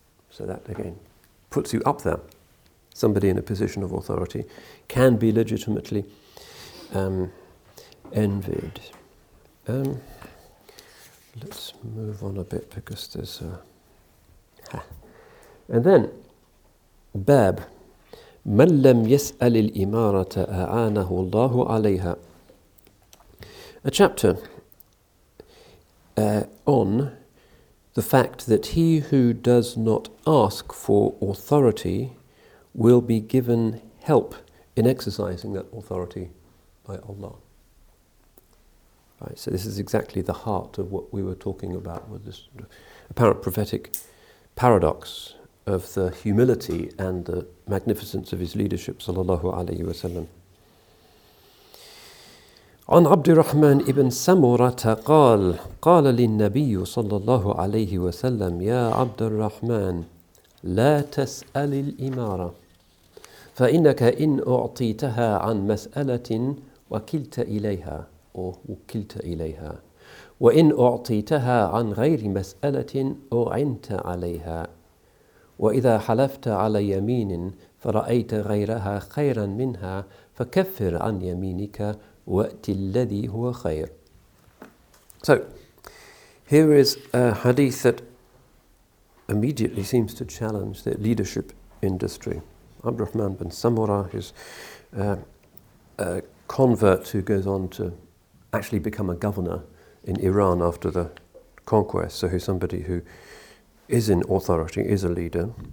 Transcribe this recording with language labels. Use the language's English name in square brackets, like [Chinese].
[English] So that, again, puts you up there. Somebody in a position of authority can be legitimately envied. Let's move on a bit because there's a And then, [Arabic] Bab, مَنْ لَمْ يَسْأَلِ الْإِمَارَةَ أَعَانَهُ اللَّهُ عَلَيْهَا. [English] A chapter on the fact that he who does not ask for authority will be given help in exercising that authority by Allah. Right, so this is exactly the heart of what we were talking about with this apparent prophetic paradox of the humility and the magnificence of his leadership, sallallahu alayhi wasallam. [Arabic] عن عبد الرحمن ابن سمرة قال قال للنبي صلى الله عليه وسلم يا عبد الرحمن لا تسأل الإمارة فإنك إن أعطيتها عن مسألة وكلت إليها أو وكلت إليها وإن أعطيتها عن غير مسألة أعنت عليها وإذا حلفت على يمين فرأيت غيرها خيرا منها فكفر عن يمينك وَأْتِ الَّذِي هُوَ خَيْرٌ. [English] So, here is a hadith that immediately seems to challenge the leadership industry. Abd al-Rahman bin Samura, who's a convert who goes on to actually become a governor in Iran after the conquest, so he's somebody who is in authority, is a leader.